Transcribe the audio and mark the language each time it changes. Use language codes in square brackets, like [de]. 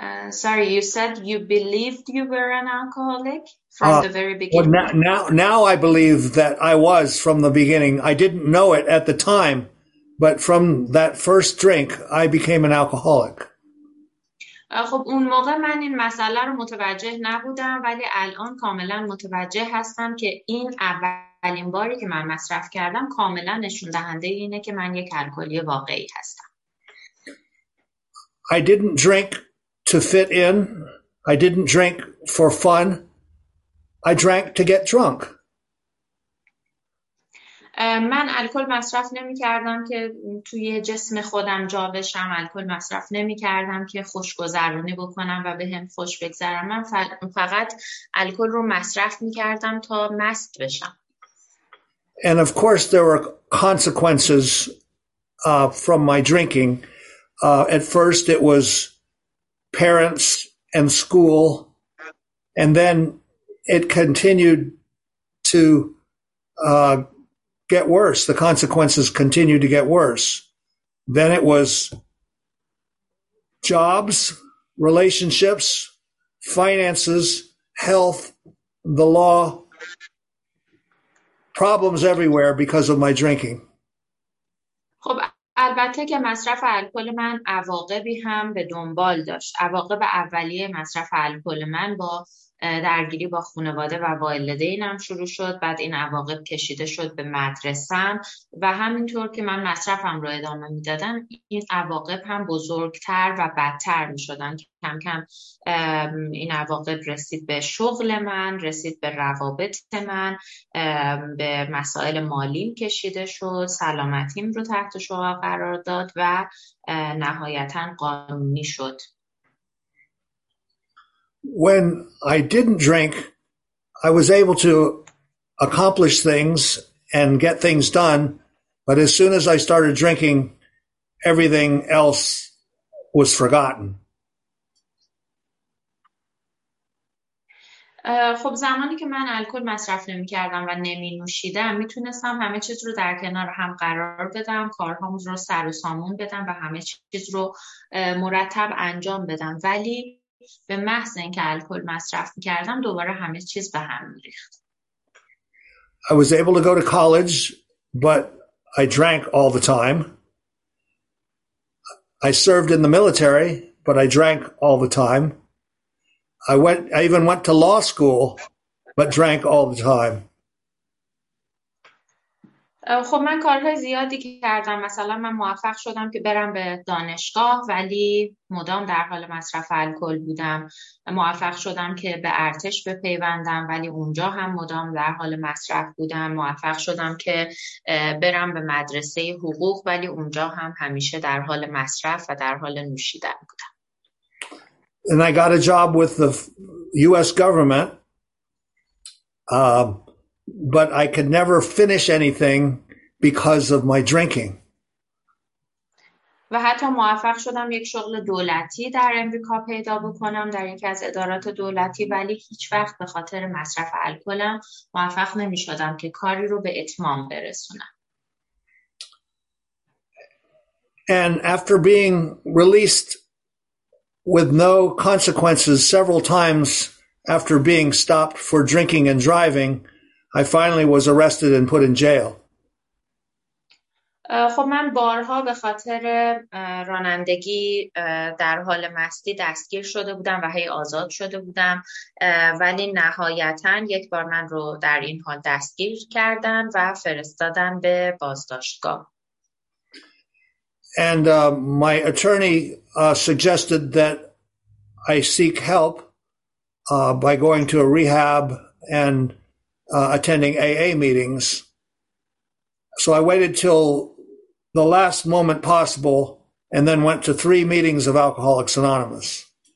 [en] Sorry, you said you believed you were an alcoholic from the very beginning. Well, now I believe that I was from the beginning. I didn't know it at the time, but from that first drink, I became an alcoholic. [fa] خب اون موقع من این مسئله رو متوجه نبودم ولی الان کاملا متوجه هستم که این اولین باری که من مصرف کردم کاملا نشون دهنده اینه که من یک الکلی واقعی هستم. [en] I didn't drink to fit in. I didn't drink for fun. I drank to get drunk. [fa] من الکل مصرف نمی کردم که توی جسم خودم جا بشم، الکل مصرف نمی کردم که خوشگذرونی بکنم و به هم خوش بگذرم. من فقط الکل رو مصرف می کردم تا مست بشم. [en] And of course there were consequences from my drinking. At first it was parents and school, and then it continued to get worse. The consequences continued to get worse. Then it was jobs, relationships, finances, health, the law, problems everywhere because of my drinking. [fa] البته که مصرف الکل من عواقبی هم به دنبال داشت. عواقب اولیه مصرف الکل من با درگیری با خانواده و والدینم شروع شد. بعد این عواقب کشیده شد به مدرسه‌ام و همینطور که من مصرفم رو ادامه میدادم این عواقب هم بزرگتر و بدتر میشدن. کم کم این عواقب رسید به شغل من، رسید به روابط من، به مسائل مالی کشیده شد، سلامتیم رو تحت شعاع قرار داد و نهایتا قانونی شد. [en] When I didn't drink, I was able to accomplish things and get things done. But as soon as I started drinking, everything else was forgotten. [fa] خب زمانی که من الکل مصرف نمی کردم و نمی نوشیدم می تونستم همه چیز رو در کنار هم قرار بدم، کارهام رو سر و سامون بدم و همه چیز رو مرتب انجام بدم، ولی به محض اینکه الکل مصرف می کردم دوباره همه چیز به هم می ریخت. [en] I was able to go to college, but I drank all the time. I served in the military, but I drank all the time. I even went to law school, but drank all the time. [fa] خب من کارهای زیادی کردم. مثلا من موفق شدم که برم به دانشگاه ولی مدام در حال مصرف الکل بودم. موفق شدم که به ارتش بپیوندم ولی اونجا هم مدام در حال مصرف بودم. موفق شدم که برم به مدرسه حقوق ولی اونجا هم همیشه در حال مصرف و در حال نوشیدن بودم. [en] And I got a job with the U.S. government, but I could never finish anything because of my drinking. [fa] و حتی موفق شدم یک شغل دولتی در امریکا پیدا بکنم در یکی از ادارات دولتی، ولی هیچ وقت به خاطر مصرف الکلم موفق نمی شدم که کاری رو به اتمام برسونم. [en] And after being released with no consequences several times after being stopped for drinking and driving, I finally was arrested and put in jail. [fa] خب من بارها به خاطر رانندگی در حال مستی دستگیر شده بودم و هی آزاد شده بودم، ولی نهایتا یک بار من رو در این حال دستگیر کردن و فرستادن به بازداشتگاه. [en] And my attorney suggested that I seek help by going to a rehab and attending AA meetings. So I waited till the last moment possible and then went to 3 meetings of Alcoholics Anonymous.